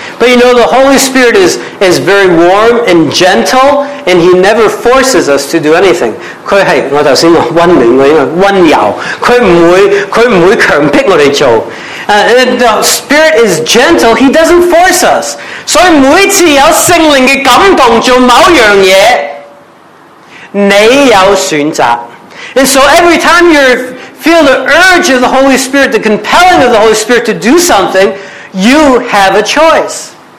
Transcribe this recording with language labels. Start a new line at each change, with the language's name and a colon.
English: But you know, the Holy Spirit is very warm and gentle, and he never forces us to do anything.
Chinese: 他是我刚才说温暖，温柔，他不会强迫我们做。
English: And the Spirit is gentle, he doesn't force us.
Chinese: 所以每次有圣灵的感动做某样东西，你有选择。
English: And so every time you're feel the urge of the Holy Spirit, the compelling of the Holy Spirit to do something, you have a choice.